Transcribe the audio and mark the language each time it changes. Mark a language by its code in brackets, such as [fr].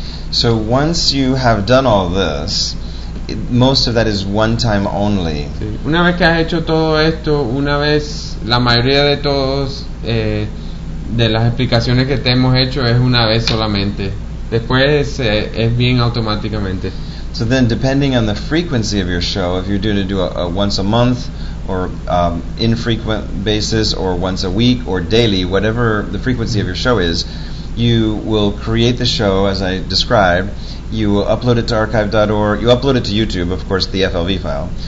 [en] So once you have done all this, most of that is one time only. [es] Sí. Una vez que has hecho todo esto, una vez, la mayoría de todos de las explicaciones que te hemos hecho es una vez solamente. Después es bien automáticamente. [en] So then, depending on the frequency of your show, if you're doing to do a once a month, or infrequent basis, or once a week, or daily, whatever the frequency of your show is, you will create the show as I described. You will upload it to archive.org. You upload it to YouTube, of course, the FLV file.